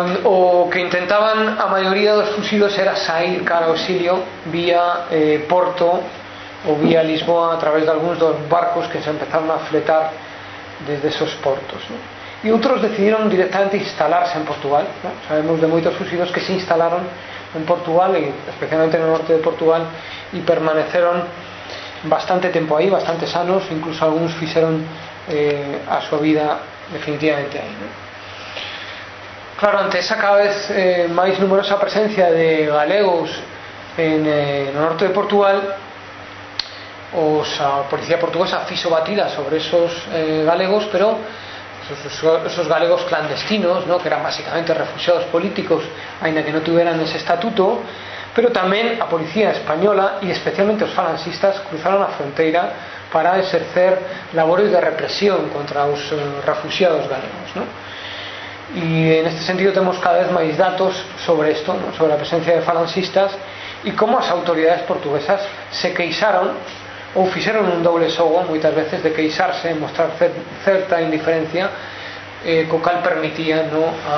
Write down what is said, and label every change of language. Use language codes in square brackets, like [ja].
[gl] O que intentaban a maioría dos fusidos era sair cara ao exilio vía Porto ou vía Lisboa a través de algúns dos barcos que se empezaron a fletar desde esos portos, ¿no? E outros decidiron directamente instalarse en Portugal, ¿no? Sabemos de moitos fusidos que se instalaron en Portugal, e especialmente no norte de Portugal, e permaneceron bastante tempo aí, bastante sanos, incluso algúns fixeron a súa vida definitivamente aí, ¿no? Claro, ante esa cada vez máis numerosa presencia de galegos en no norte de Portugal, a policía portuguesa fixo batida sobre esos galegos, pero esos galegos clandestinos, ¿no? Que eran básicamente refugiados políticos, [es] aínda que no tuvieran [gl] ese estatuto, pero tamén a policía española y especialmente os falangistas cruzaron a fronteira para exercer labores de represión contra os refugiados galegos, ¿no? [es] Y en este sentido tenemos cada vez más datos sobre esto, ¿no? Sobre la presencia de falangistas y cómo las autoridades portuguesas [gl] se queixaron o fixeron un doble xogo [es] muchas veces [gl] de queixarse, [es] mostrar cierta indiferencia, [gl] co cal [es] permitía, ¿no?